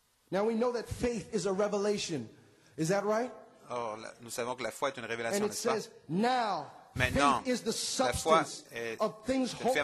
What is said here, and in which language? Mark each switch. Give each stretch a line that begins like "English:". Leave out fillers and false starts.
English: Now we know that faith is a revelation. Is that right?
French: Or, nous savons que la foi est une révélation, n'est-ce pas?
English: And it says, now,
French: maintenant,
English: faith is the substance of things hoped for.